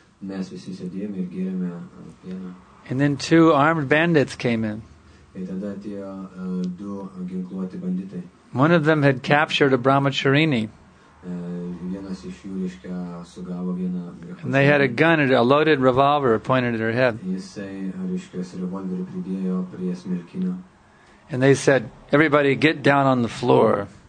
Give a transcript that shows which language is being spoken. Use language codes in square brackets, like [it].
[lt] Mes visi sėdėjome ir gėrėme pieną. [en] And then two armed bandits came in. [lt] Ir tada atėjo du ginkluoti banditai. [en] One of them had captured a brahmacharini. [lt] Vienas iš jų, reiškia, sugavo vieną. [en] And they had a gun, a loaded revolver pointed at her head. [lt] Jisai, reiškia, revolverį pridėjo prie smilkinio. [en] And they said, "Everybody get down on the floor."